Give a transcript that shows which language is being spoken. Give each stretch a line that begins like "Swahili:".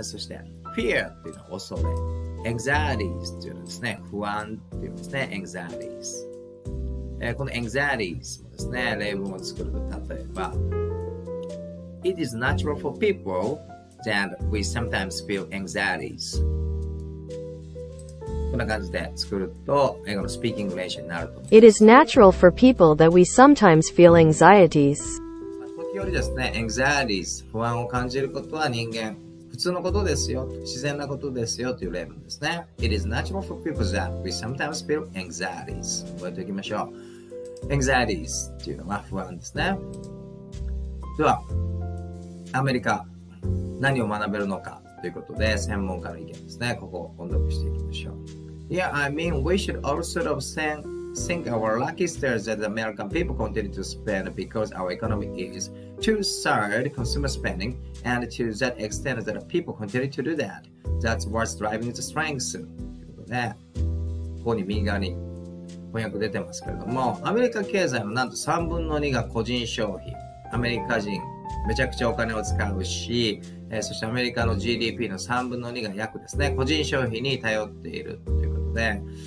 Japanese: そして、fear っていうのは恐れ。anxieties っていうのはですね、不安っていうんですね、anxieties。この anxieties もですね、例文を作ると、例えば、
English: It is natural for people that we sometimes feel anxieties.
Japanese: こんな感じで作ると英語のスピーキング練習になると思います
English: It is natural for people that we sometimes feel anxieties.
Japanese: 時折ですね、anxieties、不安を感じることは人間、普通のことですよ、自然なことですよという例文ですね。
English: It is natural for people that we sometimes feel anxieties.
Japanese: 覚えておきましょう。anxieties というのは不安ですね。では、アメリカ、何を学べるのか。ということで専門家の意見ですね。ここを音読していきましょう。
English: Yeah, I mean, we should all sort of think our lucky stars that the American people continue to spend because our economy is two-third consumer spending and to that extent that people continue to do that. That's what's driving the strength.
Japanese: ということで、ここに右側に翻訳出てますけれども、アメリカ経済のなんと3分の2が個人消費。アメリカ人めちゃくちゃお金を使うし、そしてアメリカの GDP の3分の2が約ですね、個人消費に頼っているということで、